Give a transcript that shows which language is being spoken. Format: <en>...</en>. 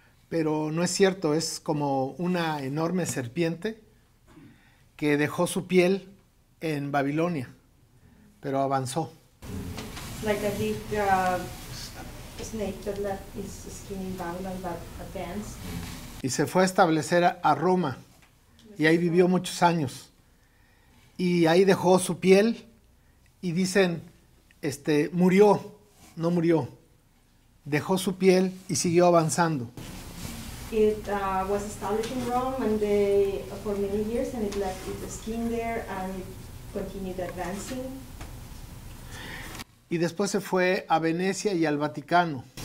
<es>Pero no es cierto, es como una enorme serpiente que dejó su piel en Babilonia, pero avanzó.</es> <en>Like a big snake that left its skin in Babylon, but advanced.</en> <es>Y se fue a establecer a Roma, y ahí vivió muchos años. Y ahí dejó su piel, y dicen, murió, no murió. Dejó su piel y siguió avanzando.</es> <en>It was established in Rome and for many years, and it left its skin there, and it continued advancing.</en> <es>Y después se fue a Venecia y al Vaticano.</es>